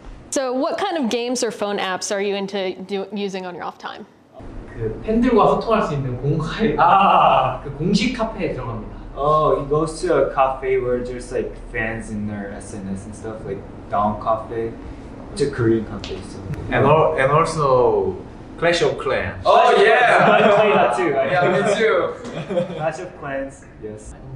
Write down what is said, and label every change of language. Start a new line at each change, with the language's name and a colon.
English: So, what kind of games or phone apps are you into using on your off time?
Korean: 그 팬들과 소통할 수 있는 공간, 아, 그 공식 카페에 들어갑니다.
English: Oh, he goes to a cafe where there's like fans in their SNS and stuff, like Dawn Cafe. It's a Korean cafe. So. And also Clash of Clans. Oh, yeah! I play that too. Yeah, me too. Clash of Clans, yes.